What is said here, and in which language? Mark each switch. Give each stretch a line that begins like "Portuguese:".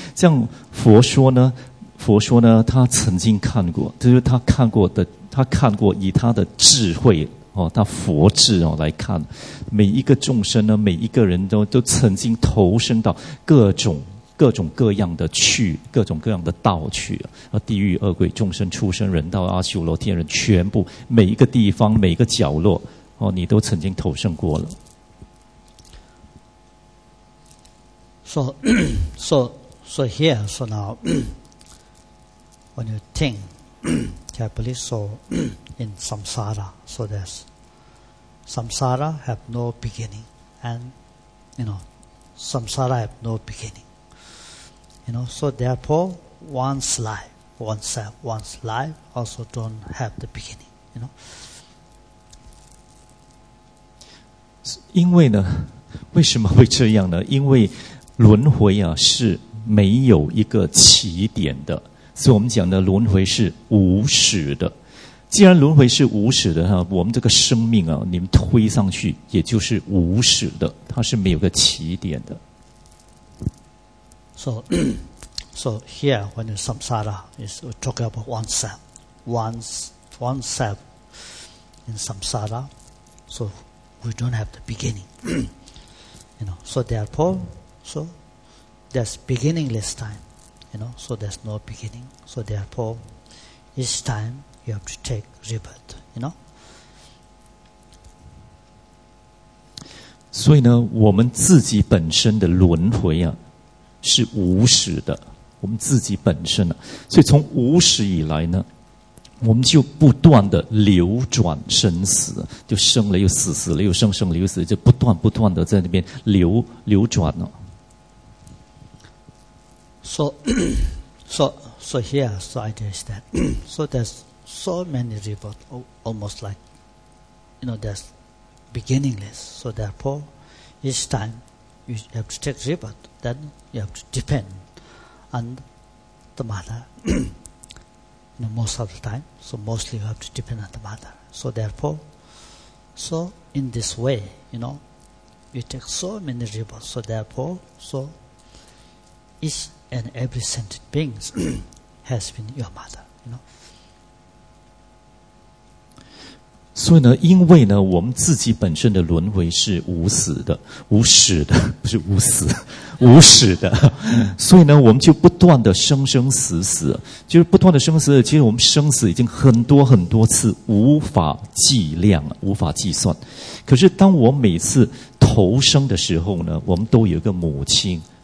Chinese: 像佛说呢，他曾经看过，就是他看过以他的智慧哦，他佛智哦来看，每一个众生呢，每一个人都曾经投生到各种各样的道去，地狱恶鬼众生畜生人道阿修罗天人，全部每一个地方每一个角落、哦、你都曾经投生过了。
English: So here, so now when you think carefully, so in samsara, so there's samsara have no beginning, and you know samsara have no beginningYou know, so therefore, one's life also don't have the beginning, you know.
Chinese: 因为呢，为什么会这样呢？因为轮回啊，是没有一个起点的，所以我们讲的轮回是无始的。既然轮回是无始的哈，我们这个生命啊，你们推上去也就是无始的，它是没有个起点的。
English: So here, when you samsara, is talking about oneself. Oneself in samsara, so we don't have the beginning. You know, so therefore, so there's beginningless time. You know, so there's no beginning. So therefore, each time you have to take rebirth, you know.
Chinese: 所以呢，我们自己本身的轮回啊。是无始的，我们自己本身、啊、所以从无始以来呢，我们就不断的流转生死，就生了又死，死了又生，生了又死，就不断的在那边流转了、啊。
English: So here, so idea is that, so there's so many rebirth, almost like, you know, there's beginningless. So therefore, each time you have to take rebirth. Then you have to depend on the mother you know, most of the time. So mostly you have to depend on the mother. So therefore, so in this way, you know, you take so many rivers. So therefore, so each and every sentient beings has been your mother. You know.
Chinese: 所以呢，因为呢，我们自己本身的轮回是无死的，不是无死，无始的，所以呢，我们就不断的生生死死，就是不断的生死，其实我们生死已经很多很多次，无法计量，无法计算。可是当我每次投生的时候呢，我们都有一个母亲。